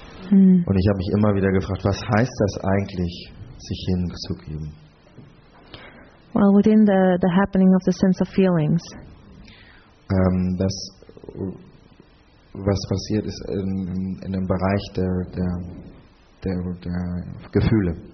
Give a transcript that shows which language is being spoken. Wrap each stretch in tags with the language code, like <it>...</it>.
<de>Und ich habe mich immer wieder gefragt, was heißt das eigentlich, sich hinzugeben?</de> <en>Well, within the happening of the sense of feelings.</en> <de>Das, was passiert, ist in dem Bereich der Gefühle.</de>